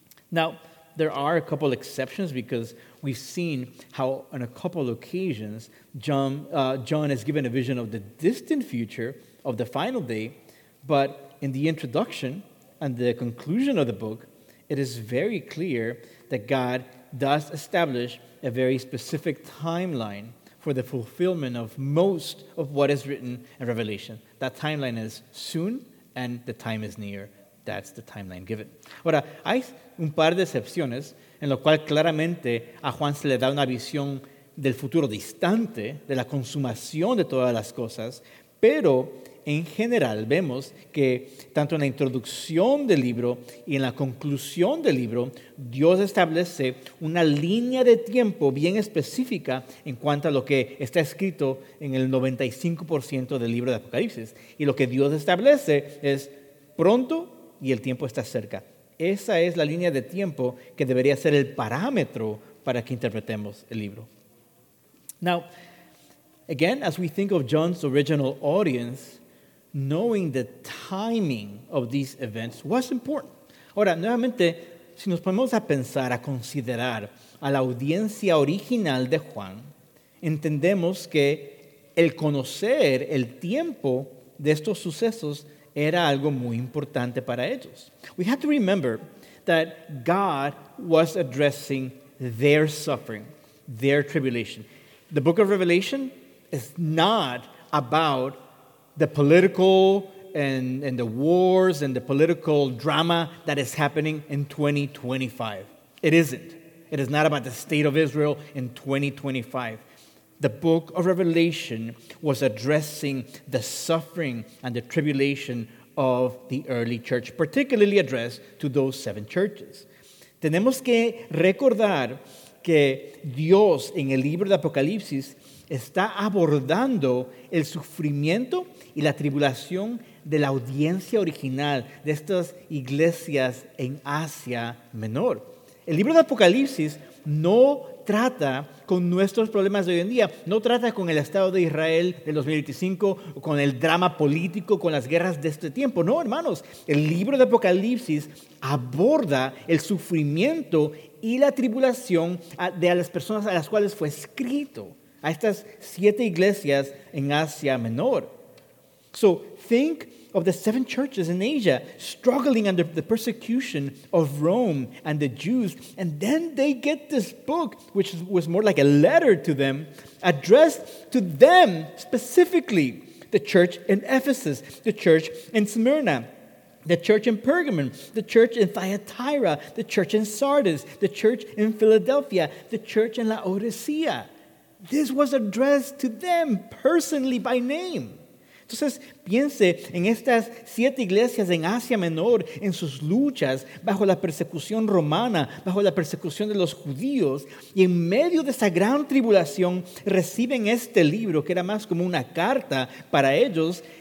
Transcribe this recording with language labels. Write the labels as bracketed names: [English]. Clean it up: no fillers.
[English] Now, there are a couple exceptions because we've seen how on a couple occasions John is given a vision of the distant future of the final day, but in the introduction and the conclusion of the book, it is very clear that God does establish a very specific timeline for the fulfillment of most of what is written in Revelation. That timeline is soon, and the time is near. That's the timeline given. [Spanish] Ahora, hay un par de excepciones, en lo cual claramente a Juan se le da una visión del futuro distante, de la consumación de todas las cosas, pero en general vemos que tanto en la introducción del libro y en la conclusión del libro, Dios establece una línea de tiempo bien específica en cuanto a lo que está escrito en el 95% del libro de Apocalipsis. Y lo que Dios establece es pronto y el tiempo está cerca. Esa es la línea de tiempo que debería ser el parámetro para que interpretemos el libro. [English] Now, again, as we think of John's original audience, knowing the timing of these events was important. [Spanish] Ahora, nuevamente, si nos ponemos a pensar, a considerar a la audiencia original de Juan, entendemos que el conocer el tiempo de estos sucesos era algo muy importante para ellos. [English] We have to remember that God was addressing their suffering, their tribulation. The book of Revelation is not about the political and the wars and the political drama that is happening in 2025. It isn't. It is not about the state of Israel in 2025. The book of Revelation was addressing the suffering and the tribulation of the early church, particularly addressed to those seven churches. [Spanish] Tenemos que recordar que Dios en el libro de Apocalipsis está abordando el sufrimiento y la tribulación de la audiencia original de estas iglesias en Asia Menor. El libro de Apocalipsis no trata con nuestros problemas de hoy en día, no trata con el Estado de Israel del 2025, con el drama político, con las guerras de este tiempo. No, hermanos, el libro de Apocalipsis aborda el sufrimiento y la tribulación de las personas a las cuales fue escrito, a estas siete iglesias en Asia Menor. [English] So, think of the seven churches in Asia struggling under the persecution of Rome and the Jews, and then they get this book, which was more like a letter to them, addressed to them specifically, the church in Ephesus, the church in Smyrna, the church in Pergamon, the church in Thyatira, the church in Sardis, the church in Philadelphia, the church in Laodicea. This was addressed to them personally by name. [Spanish] Entonces, piense en estas siete iglesias en Asia Menor, en sus luchas bajo la persecución romana, bajo la persecución de los judíos, y en medio de esa gran tribulación reciben este libro, que era más como una carta para ellos,